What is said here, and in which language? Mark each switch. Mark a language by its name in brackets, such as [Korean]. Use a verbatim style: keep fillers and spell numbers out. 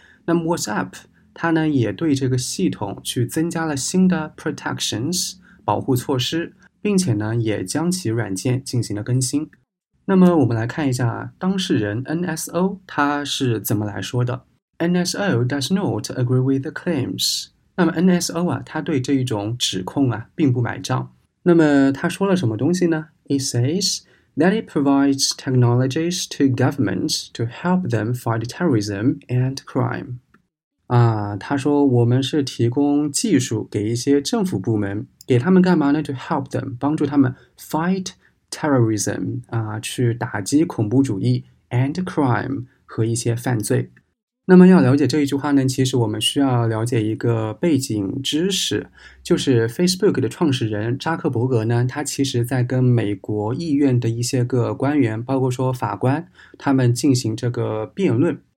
[Chinese] 那么 WhatsApp 它呢也对这个系统去增加了新的 protections 保护措施，并且呢也将其软件进行了更新。那么我们来看一下当事人 N S O 它是怎么来说的。 [English] N S O does not agree with the claims. [Chinese] 那么 N S O 啊，它对这一种指控啊并不买账。那么它说了什么东西呢？ [English] It says that it provides technologies to governments to help them fight terrorism and crime. [Chinese] 啊，他说我们是提供技术给一些政府部门，给他们干嘛呢？ [English] To help them， [Chinese] 帮助他们 [English] fight terrorism， [Chinese] 啊，去打击恐怖主义 [English] and crime [Chinese] 和一些犯罪。那么要了解这一句话呢，其实我们需要了解一个背景知识，就是 Facebook 的创始人扎克伯格呢，他其实在跟美国议院的一些个官员，包括说法官，他们进行这个辩论。